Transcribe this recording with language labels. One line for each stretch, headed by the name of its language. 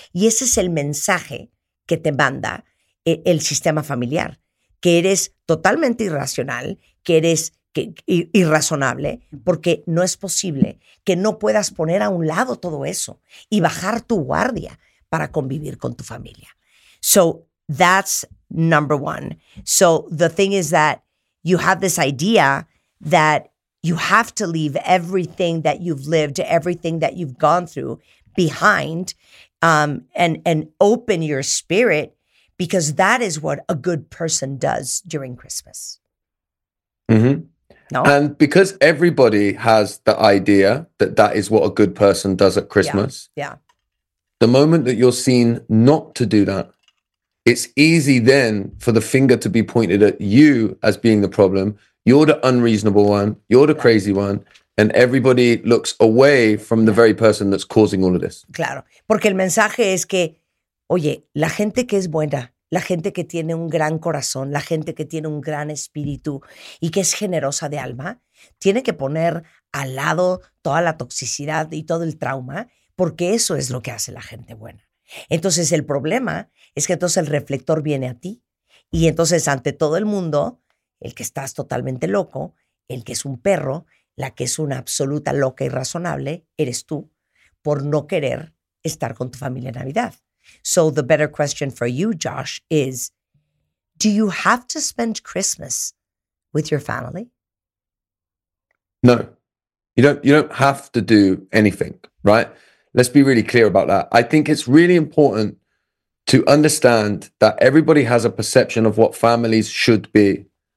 Spanish: Y ese es el mensaje que te manda el sistema familiar, que eres totalmente irracional, que eres irrazonable, porque no es posible que no puedas poner a un lado todo eso y bajar tu guardia para convivir con tu familia.
English: So that's number one. So the thing is that you have this idea that you have to leave everything that you've lived, everything that you've gone through behind, and open your spirit, because that is what a good person does during Christmas. Mm-hmm. No? And because everybody has the idea that that is what a good person does at Christmas, yeah. The moment that you're seen not to do that, it's easy then for the finger to be pointed at you as being the problem. You're the unreasonable one. You're the crazy one. And everybody looks away from the very person that's causing all of this.
Spanish: Claro. Porque el mensaje es que, oye, la gente que es buena, la gente que tiene un gran corazón, la gente que tiene un gran espíritu y que es generosa de alma, tiene que poner al lado toda la toxicidad y todo el trauma, porque eso es lo que hace la gente buena. Entonces, el problema es que entonces el reflector viene a ti y entonces ante todo el mundo, el que estás totalmente loco, el que es un perro, la que es una absoluta loca y razonable, eres tú por no querer estar con tu familia en Navidad.
English: So the better question for you, Josh, is do you have to spend Christmas with your family? No. You don't have to do anything, right? Let's be really clear about that. I think it's really important to understand that everybody has a perception of what families should be.